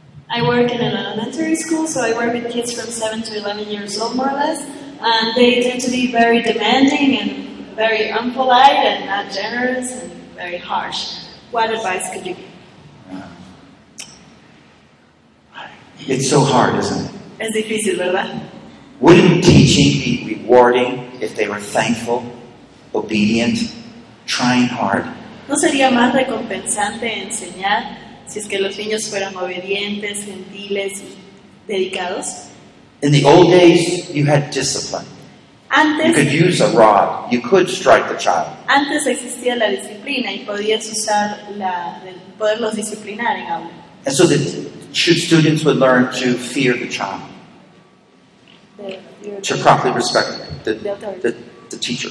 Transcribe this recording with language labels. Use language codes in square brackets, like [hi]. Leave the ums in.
[en] elementary school, so I work with kids from 7 to 11 years old, more or less, and they tend to be very demanding and very unpolite and not generous and very harsh. What advice could you give? It's so hard, isn't [es] it? Es difícil, ¿verdad? [en] Wouldn't teaching be rewarding? if they were thankful, obedient, trying hard. [es] ¿No sería más recompensante enseñar si es que los niños fueran obedientes, gentiles y dedicados? [en] In the old days, you had discipline. [es] Antes, [en] you could use a rod. You could strike the child. [es] Antes existía la disciplina y podías usar la, poderlos disciplinar en aula. [en] And so the students would learn to fear the child to properly respect the, the, the, the teacher.